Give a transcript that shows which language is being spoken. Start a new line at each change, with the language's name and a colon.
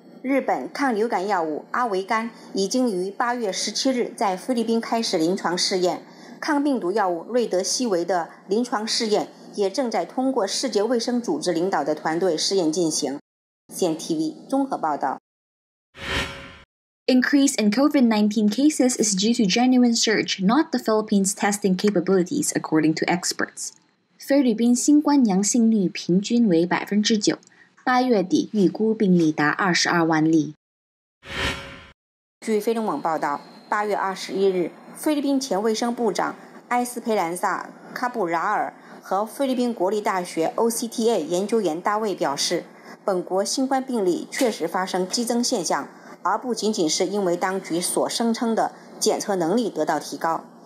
Chinese: 日本抗流感药物阿维干已经于8月17日在菲律宾开始临床试验，抗病毒药物瑞德西韦的临床试验也正在通过世界卫生组织领导的团队试验进行。 CNTV 综合报道。
English: Increase in COVID-19 cases is due to genuine surge, not the Philippines' testing capabilities, according to experts.
Chinese: 菲律宾新冠阳性率平均为 9%, 八月底预估病例达22万例。据菲中网报道，8月21日，菲律宾前卫生部长埃斯佩兰萨·卡布拉尔和菲律宾国立大学 OCTA 研究员大卫表示，本国新冠病例确实发生激增现象，而不仅仅是因为当局所声称的检测能力得到提高。